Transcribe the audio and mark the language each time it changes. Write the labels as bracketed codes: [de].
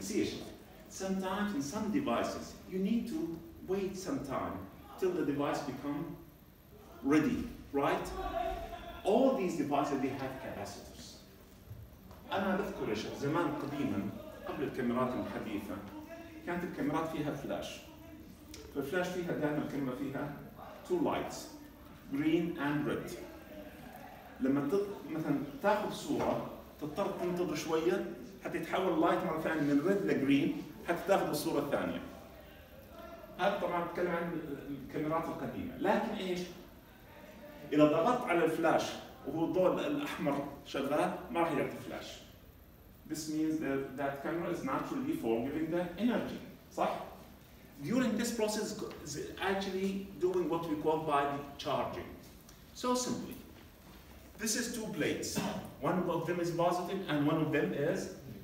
[en] See, sometimes in some devices, you need to wait some time till the device becomes ready, right? All these devices, they have capacitors. [ar] أنا أذكرش زمان قديما قبل الكاميرات الحديثة كانت الكاميرات فيها فلاش. فالفلاش فيها دائما الكاميرا فيها [en] two lights, green and red. [ar] لما مثلا تاخذ صورة تضطر تنتظر شوية حتى يتحول اللايت مرة ثانية من red لجرين حتى تاخذ الصورة الثانية. هذا طبعا بتكلم عن الكاميرات القديمة، لكن ايش؟ إذا ضغطت على الفلاش وهو الضوء الأحمر شغال ما راح يعطي فلاش. [en] This means that that camera is naturally forming the energy. [ar] صح؟ [en] During this process is actually doing what we call by the charging. So simply, this is two plates. One of them is positive and one of them is.